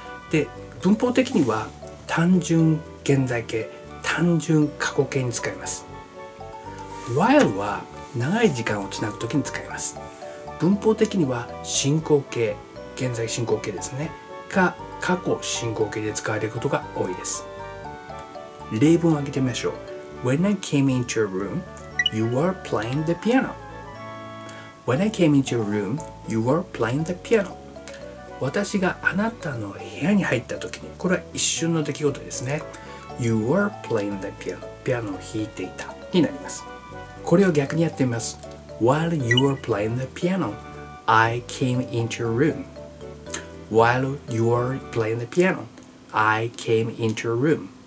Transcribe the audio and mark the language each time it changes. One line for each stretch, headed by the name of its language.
Japanese: で、文法的には単純現在形、単純過去形に使います。 While は長い時間をつなぐときに使います。文法的には進行形、現在進行形ですね、か過去進行形で使われることが多いです。例文を挙げてみましょう。
English: When I came into your room, you were playing the piano. When I came into your room, you were playing the piano.
Japanese: 私があなたの部屋に入ったときに、これは一瞬の出来事ですね。
English: You were playing the piano.
Japanese: ピアノを弾いていたになります。これを逆にやってみます。
English: While you were playing the piano, I came into your room. While you were playing the piano, I came into your room.